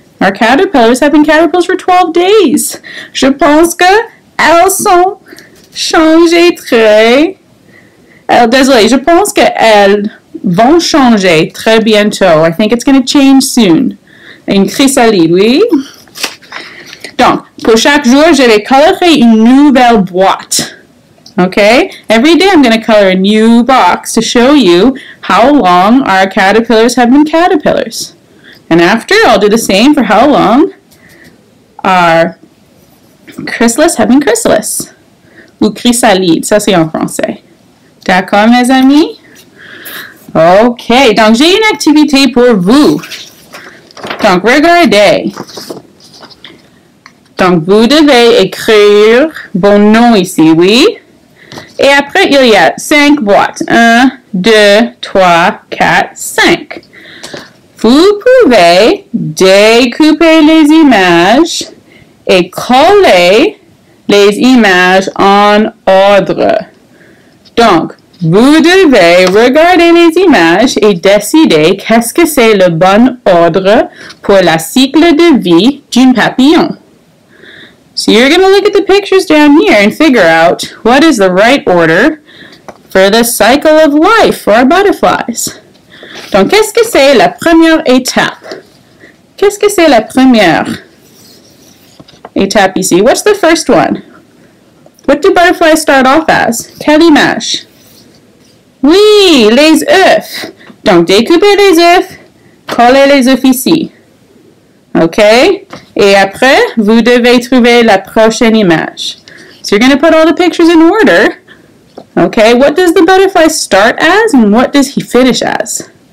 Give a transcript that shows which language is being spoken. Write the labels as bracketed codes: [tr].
[en] Our caterpillars have been caterpillars for 12 days. [fr] Je pense que elles sont changées très... Désolée, je pense que elles vont changer très bientôt. [en] I think it's going to change soon. [fr] Une chrysalide, oui? Donc, pour chaque jour, je vais colorer une nouvelle boîte. [en] Okay? Every day I'm going to color a new box to show you how long our caterpillars have been caterpillars. And after, I'll do the same for how long our chrysalis have been chrysalis. [fr] Ou chrysalide, ça c'est en français. D'accord, mes amis? Ok, donc j'ai une activité pour vous. Donc, regardez. Donc, vous devez écrire vos noms ici, oui? Et après, il y a 5 boîtes. 1, 2, 3, 4, 5. Vous pouvez découper les images et coller les images en ordre. Donc, vous devez regarder les images et décider qu'est-ce que c'est le bon ordre pour la cycle de vie d'une papillon. [en] So you're going to look at the pictures down here and figure out what is the right order for the cycle of life for our butterflies. [fr] Donc, qu'est-ce que c'est la première étape? Qu'est-ce que c'est la première étape ici? [en] What's the first one? What do butterflies start off as? [fr] Quelle image? Oui, les œufs. Donc, découpez les œufs, collez les œufs ici. OK? Et après, vous devez trouver la prochaine image. [en] So, you're going to put all the pictures in order. OK? What does the butterfly start as and what does he finish as?